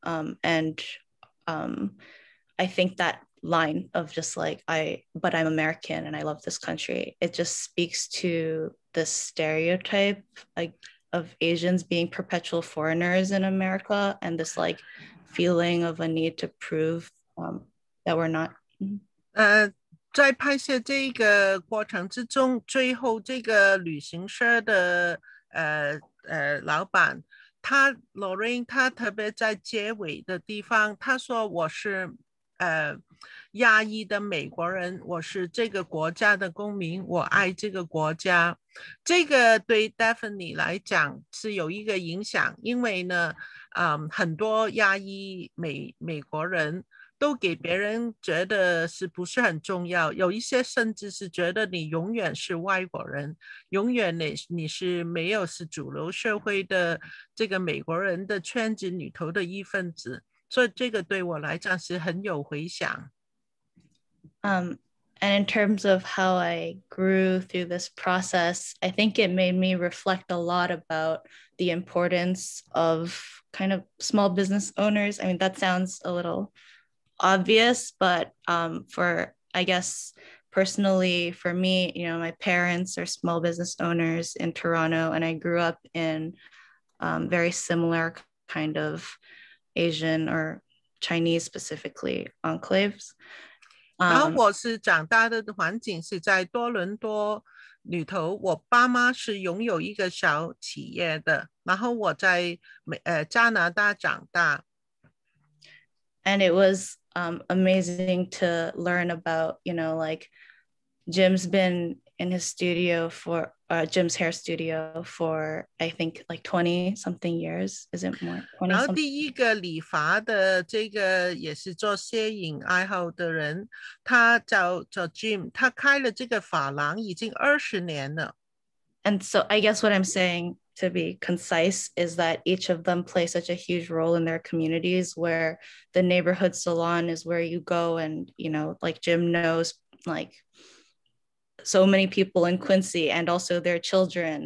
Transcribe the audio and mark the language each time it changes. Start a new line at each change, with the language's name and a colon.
English: I think that line of just like, but I'm American and I love this country, it just speaks to this stereotype like of Asians being perpetual foreigners in America, and this like feeling of a need to prove that we're not.
Chinese: 在拍摄这个过程之中，最后这个旅行社的老板，他 Lorraine， 他特别在结尾的地方，他说我是亚裔的美国人，我是这个国家的公民，我爱这个国家。这个对 Daphne 来讲是有一个影响，因为呢，很多亚裔美国人。都给别人觉得是不是很重要，有一些甚至是觉得你永远是外国人，永远 你是没有主流社会的这个美国人的圈子里头的一份子，所以这个对我来讲是很有回响。
English: And in terms of how I grew through this process, I think it made me reflect a lot about the importance of kind of small business owners. I mean, that sounds a little... obvious, but for, I guess, personally, for me, you know, my parents are small business owners in Toronto, and I grew up in very similar kind of Asian or Chinese specifically enclaves.
Chinese: 然后我是长大的环境是在多伦多里头，我爸妈是拥有一个小企业的，然后我在加拿大长大。
English: And it was amazing to learn about, you know, like Jim's been in his studio for, Jim's hair studio for, I think like 20 something years, is it more?
Chinese: 20 然后第一个理发的这个也是做摄影爱好的人，他叫 Jim， 他开了这个发廊已经20年了。
English: And so I guess what I'm saying to be concise is that each of them play such a huge role in their communities, where the neighborhood salon is where you go. And, you know, like Jim knows like so many people in Quincy and also their children.